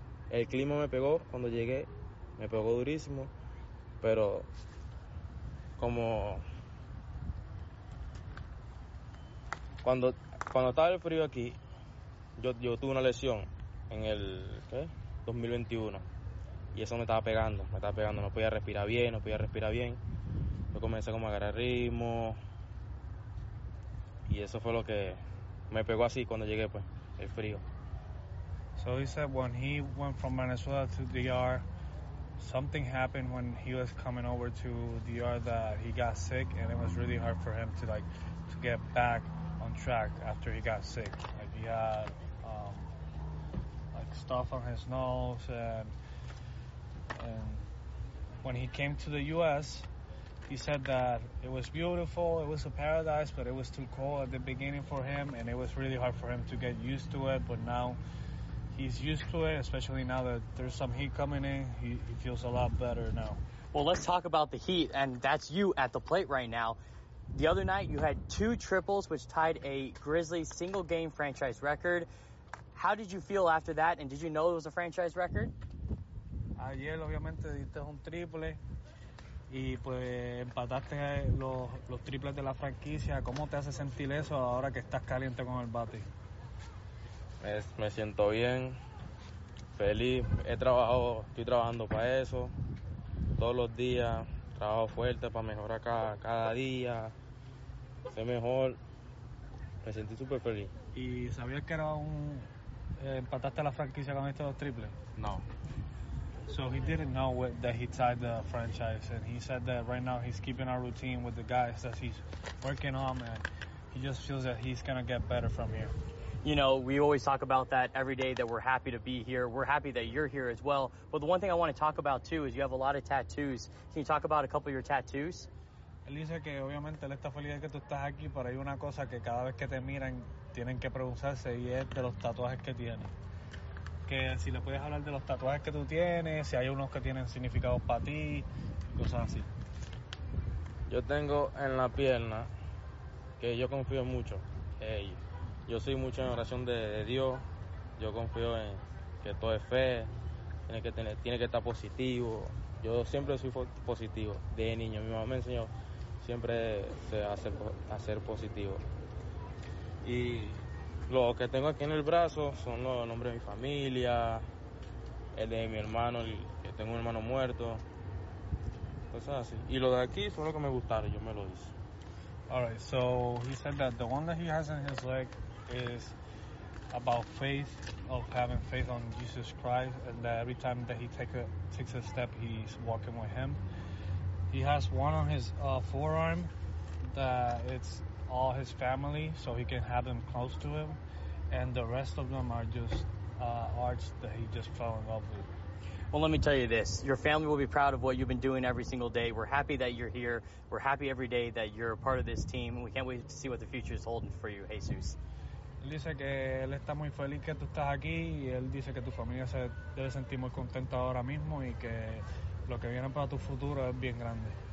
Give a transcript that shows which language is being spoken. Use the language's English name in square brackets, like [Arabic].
[Spanish] El clima me pegó cuando llegué, me pegó durísimo, pero como cuando estaba el frío aquí, yo tuve una lesión en el 2021 y eso me estaba pegando, no podía respirar bien. Yo comencé como a agarrar ritmo y eso fue lo que me pegó así cuando llegué, pues, el frío. [English] So he said when he went from Venezuela to DR, something happened when he was coming over to DR that he got sick, and it was really hard for him to get back on track after he got sick. Like he had stuff on his nose, and when he came to the U.S., he said that it was beautiful, it was a paradise, but it was too cold at the beginning for him, and it was really hard for him to get used to it, but now he's used to it, especially now that there's some heat coming in. He feels a lot better now. Well, let's talk about the heat, and that's you at the plate right now. The other night, you had two triples, which tied a Grizzlies single-game franchise record. How did you feel after that, and did you know it was a franchise record? [Spanish] Ayer, obviamente, diste un triple, y pues empataste los triples de la franquicia. ¿Cómo te hace sentir eso ahora que estás caliente con el bate? Me siento bien, feliz. Estoy trabajando para eso. Todos los días, trabajo fuerte para mejorar cada día. Ser mejor. Me sentí súper feliz. ¿Y sabías que era un... empataste la franquicia con estos dos triples? No. [English] So he didn't know that he tied the franchise, and he said that right now he's keeping a routine with the guys that he's working on, and he just feels that he's going to get better from here. You know, we always talk about that every day, that we're happy to be here. We're happy that you're here as well. But the one thing I want to talk about, too, is you have a lot of tattoos. Can you talk about a couple of your tattoos? [Spanish] Él dice que obviamente él está feliz de que tú estás aquí, pero hay una cosa que cada vez que te miran tienen que preguntarse, y es de los tatuajes que tienes. Que si le puedes hablar de los tatuajes que tú tienes, si hay unos que tienen significado para ti, cosas así. Yo tengo en la pierna, que yo confío mucho, hey, yo soy mucho en oración de Dios, yo confío en que todo es fe, tiene que estar positivo. Yo siempre soy positivo, de niño, mi mamá me enseñó siempre a ser positivo. Y lo que tengo aquí en el brazo son los nombres de mi familia, el de mi hermano, que tengo un hermano muerto, cosas así. Y lo de aquí fue lo que me gustaron, yo me lo hice. [English] All right, so he said that the one that he has in his leg is about faith, of having faith on Jesus Christ, and that every time that he takes a step, he's walking with him. He has one on his forearm that it's all his family, so he can have them close to him. And the rest of them are just arts that he just fell in love with. Well, let me tell you this. Your family will be proud of what you've been doing every single day. We're happy that you're here. We're happy every day that you're a part of this team. We can't wait to see what the future is holding for you, Jesus. [Spanish] Él dice que él está muy feliz que tú estás aquí, y él dice que tu familia se debe sentir muy contenta ahora mismo, y que lo que viene para tu futuro es bien grande.